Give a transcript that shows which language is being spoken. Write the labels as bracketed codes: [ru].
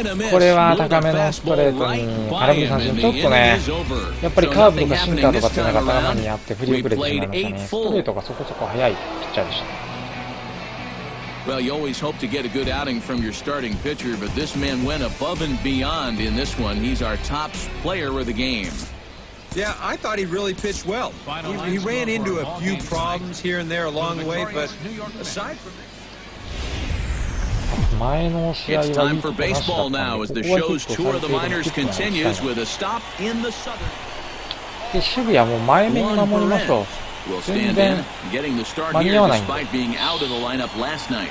[ja] これは高めのストレートに空振り三振、ちょっとね、やっぱりカーブとかシンカーとかっていうのが頭にあって振り遅れてしまいましたね。ストレートがそこそこ速いピッチャーでした。 [en] Well, you always hope to get a good outing from your starting pitcher, but this man went above and beyond in this one. He's our top player of the game. Yeah, I thought he really pitched well. He ran into a few problems here and there along the way, but aside from [ja] 前の試合はいいとこなしだったんで、ここはヒットされているヒットがありましたね。守備はもう前目に守りましょう。全然間に合わないんです。